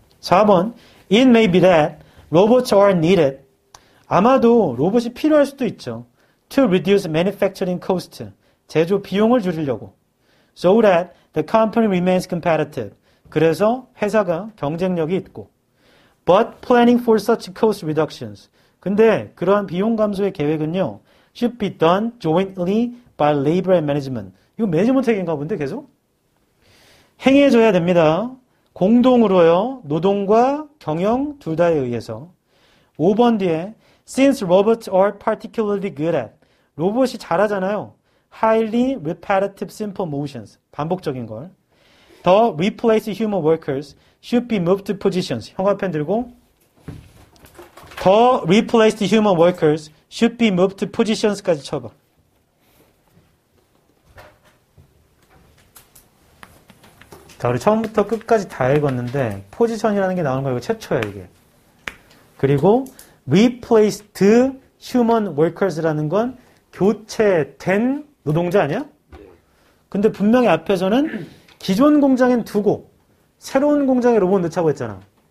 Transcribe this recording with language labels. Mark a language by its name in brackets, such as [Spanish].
[Korean] 4번, [English] it may be that robots are needed. [Korean] 아마도 로봇이 필요할 수도 있죠. [English] To reduce manufacturing cost, [Korean] 제조 비용을 줄이려고. [English] So that the company remains competitive. [Korean] 그래서 회사가 경쟁력이 있고. [English] But planning for such cost reductions. [Korean] 근데 그러한 비용 감소의 계획은요. [English] Should be done jointly by labor and management. [Korean] 이거 매니지먼트 책임인가 본데 계속? 행해줘야 됩니다. 공동으로요. 노동과 경영 둘 다에 의해서. 5번 뒤에 [English] Since robots are particularly good at. [Korean] 로봇이 잘하잖아요. [English] Highly repetitive simple motions. [Korean] 반복적인 걸. [English] The replaced human workers should be moved to positions. [Korean] 형광펜 들고. [English] The replaced human workers should be moved to positions [Korean] 까지 쳐봐. 자, 우리 처음부터 끝까지 다 읽었는데 포지션이라는 게 나오는 거 이거 최초야 이게. 그리고 [English] replaced human workers [Korean] 라는 건 교체된 노동자 아니야? 근데 분명히 앞에서는 기존 공장엔 두고 새로운 공장에 로봇 넣자고 했잖아.